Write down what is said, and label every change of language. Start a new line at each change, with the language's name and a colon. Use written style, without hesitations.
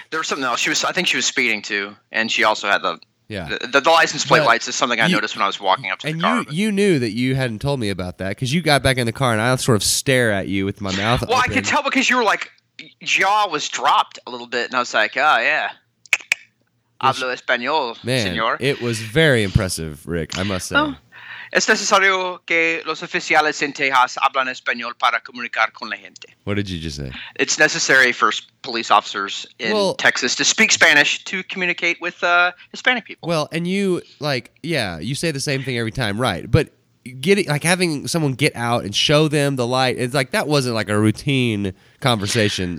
English: There was something else. She was. I think she was speeding too, and she also had the. Yeah, the license plate lights is something I noticed when I was walking up to the car. And you knew that you hadn't told me about that, because you got back in the car and I sort of stare at you with my mouth open. Well, I could tell, because you were like, jaw was dropped a little bit, and I was like, oh, yeah.
Spanish: Hablo español, señor.
English: It was very impressive, Rick, I must say. Oh.
Spanish: Es necesario que los oficiales en Texas hablan español para comunicar con la gente.
English: What did you just say? It's necessary for police officers in Texas to speak Spanish to communicate with Hispanic people. Well, and you, like, yeah, you say the same thing every time, right? But getting, like, having someone get out and show them the light, it's like, that wasn't like a routine conversation.